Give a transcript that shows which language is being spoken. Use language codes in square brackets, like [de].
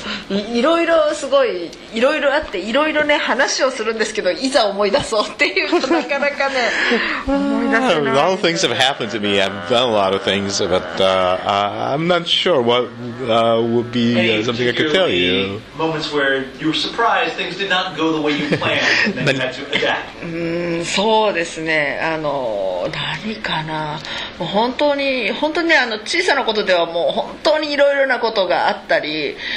[ja] いろいろすごいいろいろあっていろいろね話をするんですけど、いざ思い出そうっていうとなかなかね思い出せない。 [en] A lot of things have happened to me. I've done a lot of things, but I'm not sure what would be something I could tell you. Moments where you were surprised things did not go the way you planned and then you had to adapt. [ja] そうですね。何かな。もう本当に小さなことではもう本当にいろいろなことがあったり。